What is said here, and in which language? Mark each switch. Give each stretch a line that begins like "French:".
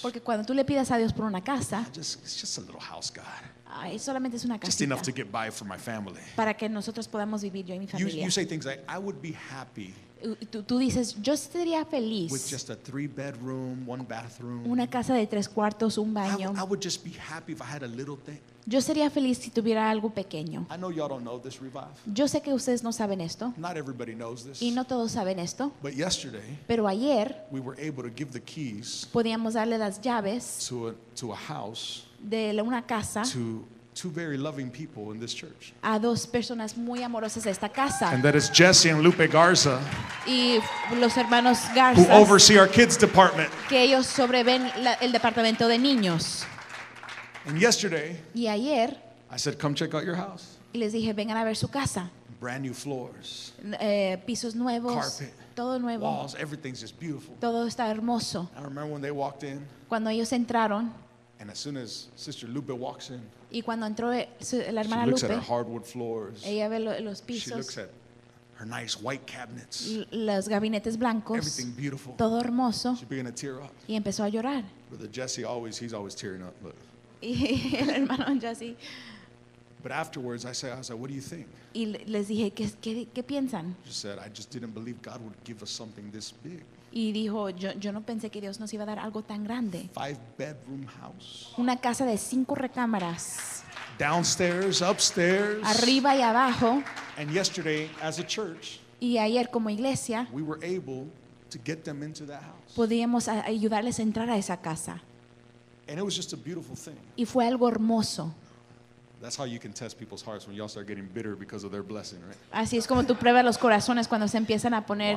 Spanish: Porque cuando tú le pidas a Dios por una casa.
English: It's just a little house, God.
Spanish: Ay, solamente es una casita.
English: Just enough to get by for my family.
Spanish: Para que nosotros podamos vivir yo y mi familia.
English: You say things like, I would be happy.
Spanish: Tú dices, yo estaría feliz.
English: With just a 3-bedroom, 1-bathroom.
Spanish: Una casa de 3 cuartos, un baño.
English: I would just be happy if I had a little thing.
Spanish: Yo sería feliz si tuviera algo pequeño.
English: I know y'all don't know this revive.
Spanish: Yo sé que ustedes no saben esto.
English: Not everybody knows this.
Spanish: Y no todos saben esto.
English: But yesterday,
Spanish: pero ayer,
English: we were able to give the keys.
Spanish: Podíamos darle las llaves.
English: To a house.
Spanish: De una casa.
English: To two very loving people in this church.
Spanish: A dos personas muy amorosas de esta casa.
English: And that is Jesse and Lupe Garza.
Spanish: Y los hermanos Garza.
English: Who oversee our kids department.
Spanish: Que ellos sobreven el departamento de niños.
English: And yesterday,
Spanish: y ayer,
English: I said, come check out your house.
Spanish: Y les dije, vengan a ver su casa.
English: Brand new floors.
Spanish: Pisos nuevos.
English: Carpet.
Spanish: Todo nuevo.
English: Walls, everything's just beautiful.
Spanish: Todo está hermoso.
English: I remember when they walked in.
Spanish: Cuando ellos entraron.
English: And as soon as Sister Lupe walks in.
Spanish: Y cuando entró la hermana Lupe.
English: She looks at her hardwood floors.
Spanish: Ella ve los pisos.
English: She looks at her nice white cabinets.
Spanish: Los gabinetes blancos.
English: Everything beautiful.
Spanish: Todo hermoso.
English: She began to tear up.
Spanish: Y empezó a llorar.
English: Brother Jesse always, he's always tearing up, look.
Spanish: El hermano Jesse.
English: But afterwards, I said, what do you think?
Spanish: Y les dije, ¿qué piensan?
English: She said, I just didn't believe God would give us something this big.
Spanish: Y dijo, yo no pensé que Dios nos iba a dar algo tan grande.
English: 5-bedroom house.
Spanish: Una casa de 5 recámaras.
English: Downstairs, upstairs.
Spanish: Arriba y abajo.
English: And yesterday, as a church.
Spanish: Y ayer como iglesia.
English: We were able to get them into that house.
Spanish: Podíamos ayudarles a entrar a esa casa.
English: And it was just a beautiful thing.
Spanish: Y fue algo hermoso.
English: That's how you can test people's hearts when y'all start getting bitter because of their blessing, right?
Spanish: Así es como tú pruebas los corazones cuando se empiezan a poner.